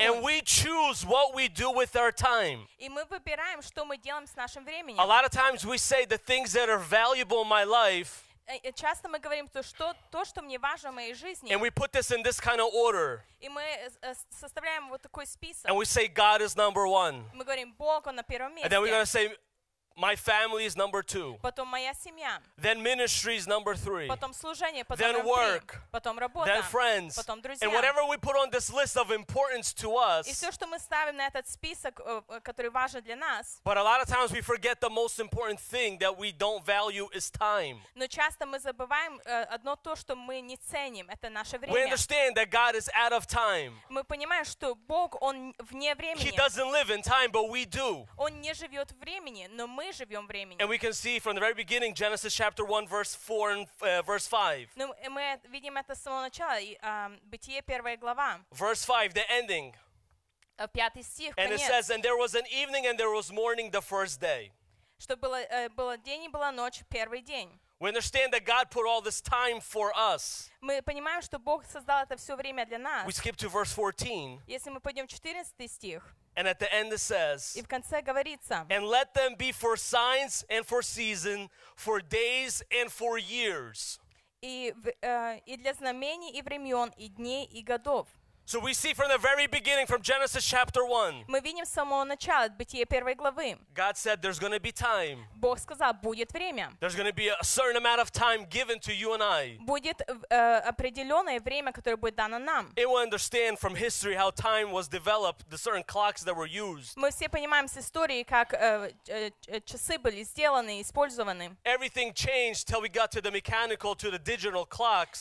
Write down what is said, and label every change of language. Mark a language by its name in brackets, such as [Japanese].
[English] And we choose what we do with our time. [Russian] И мы выбираем, что мы делаем с нашим временем. [English] A lot of times we say the things that are valuable in my life. [Russian] Часто мы говорим то, что мне важно в моей жизни. [English] And we put this in this kind of order. [Russian] И мы составляем вот такой список. [English] And we say God is number one. [Russian] Мы говорим Бог он на первом месте. [English] And then we're gonna say my family is number two. [Russian] Потом моя семья. [English] Then ministry is number three. [Russian] Потом служение. Потом [English] then work. [Russian] Потом работа. [English] Then friends. [Russian] Потом друзья. [English] And whatever we put on this list of importance to us. [Russian] И все, что мы ставим на этот список, который важен для нас. [English] But a lot of times we forget the most important thing that we don't value is time. [Russian] Но часто мы забываем одно то, что мы не ценим, это наше время. [English] We understand that God is out of time. [Russian] Мы понимаем, что Бог он вне времени. [English] He doesn't live in time, but we do. [Russian] Он не живет в времени, но мы живем времени. [English] And we can see from the very beginning, Genesis chapter 1, verse 4 and verse 5. [Russian] Ну, мы видим это с самого начала, Бытие, первая глава. [English] Verse 5, the ending. [Russian] Пятый стих, [English] and [Russian] конец. [English] It says, and there was an evening and there was morning the first day. [Russian] Что было, было день и была ночь, первый день. [English] We understand that God put all this time for us. [Russian] Мы понимаем, что Бог создал это все время для нас. [English] We skip to verse 14. [Russian] Если мы пойдем в 14 стих. [English] And at the end it says. [Russian] И в конце говорится. [English] And let them be for signs and for season, for days and for years. [Russian] И для знамений и времен, и дней и годов. [English] So we see from the very beginning, from Genesis chapter 1. [Russian] Мы видим с самого начала, Бытие первой главы. [English] God said, there's going to be time. [Russian] Бог сказал, будет время. [English] There's going to be a certain amount of time given to you and I. [Russian] Будет определенное время, которое будет дано нам. [English] And we understand from history how time was developed, the certain clocks that were used. [Russian] Мы все понимаем с истории, как часы были сделаны, использованы. [English] Everything changed till we got to the mechanical, to the digital clocks.